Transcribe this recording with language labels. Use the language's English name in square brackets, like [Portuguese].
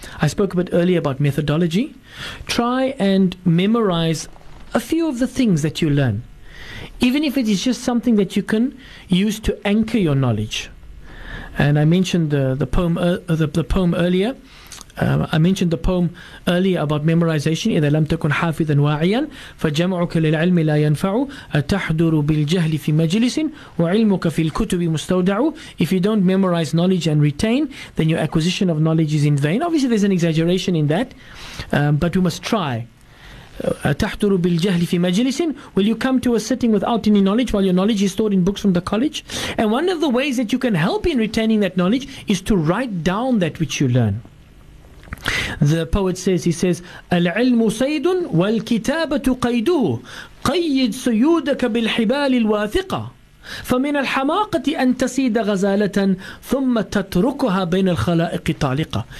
[English] I spoke a bit earlier about methodology. Try and memorize a few of the things that you learn, even if it is just something that you can use to anchor your knowledge. And I mentioned the poem earlier about memorization. [Arabic] إذا لم تكن حافظا واعيا فجمعك للعلم لا ينفع أتحضر بالجهل في مجلس وعلمك في الكتب مستودع. [English] If you don't memorize knowledge and retain, then your acquisition of knowledge is in vain. Obviously there's an exaggeration in that, but we must try. [Arabic] أتحضر بالجهل في مجلس. [English] Will you come to a sitting without any knowledge while your knowledge is stored in books from the college? And one of the ways that you can help in retaining that knowledge is to write down that which you learn. The poet says, he says, [Arabic] العلم سيد والكتابة قيده قيد سيودك بالحبال الواثقة فمن الحماقة أن تسيد غزالة ثم تتركها بين الخلائق طالقة.